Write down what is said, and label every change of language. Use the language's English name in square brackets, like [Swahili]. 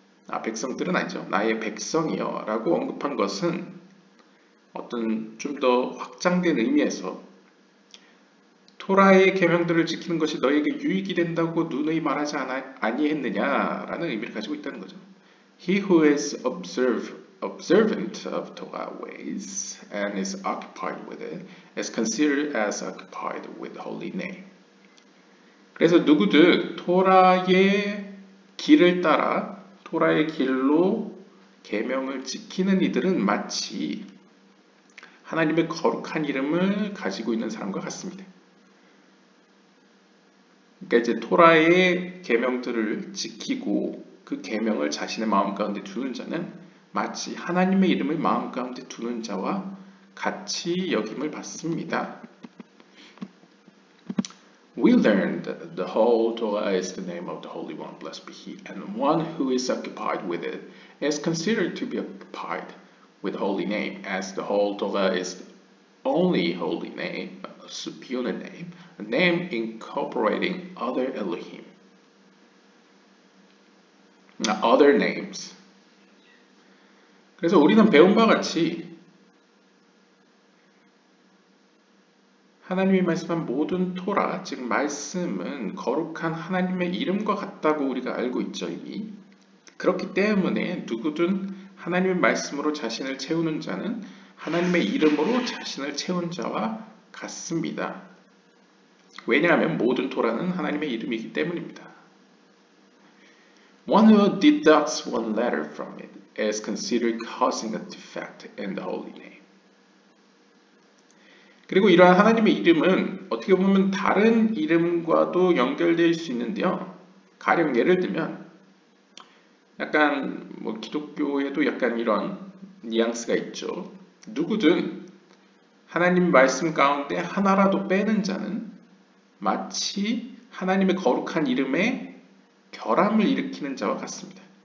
[Korean] 아, 백성들은 아니죠. 나의 백성이여 라고 언급한 것은 어떤 좀 더 확장된 의미에서 토라의 계명들을 지키는 것이 너에게 유익이 된다고 누누이 말하지 아니했느냐 라는 의미를 가지고 있다는 거죠. [English] He who is observant of Torah ways and is occupied with it is considered as occupied with holy name. [Korean] 그래서 누구든 토라의 길을 따라 토라의 길로 계명을 지키는 이들은 마치 하나님의 거룩한 이름을 가지고 있는 사람과 같습니다. 그러니까 이제 토라의 계명들을 지키고 그 계명을 자신의 마음 가운데 두는 자는 마치 하나님의 이름을 마음 가운데 두는 자와 같이 여김을 받습니다. [English] We learned the whole Torah is the name of the Holy One, blessed be He, and one who is occupied with it is considered to be occupied with holy name, as the whole Torah is only holy name, superior name, a name incorporating other Elohim. Other names. [Korean] 그래서 우리는 배운 바와 같이 하나님이 말씀한 모든 토라, 즉 말씀은 거룩한 하나님의 이름과 같다고 우리가 알고 있죠, 이미. 그렇기 때문에 누구든 하나님의 말씀으로 자신을 채우는 자는 하나님의 이름으로 자신을 채운 자와 같습니다. 왜냐하면 모든 토라는 하나님의 이름이기 때문입니다. [English] One who deducts one letter from it is considered causing a defect in the holy name. [Korean] 그리고 이러한 하나님의 이름은 어떻게 보면 다른 이름과도 연결될 수 있는데요. 가령 예를 들면 약간 뭐 기독교에도 약간 이런 뉘앙스가 있죠. 누구든 하나님 말씀 가운데 하나라도 빼는 자는 마치 하나님의 거룩한 이름에 결함을 일으키는 자와 같습니다.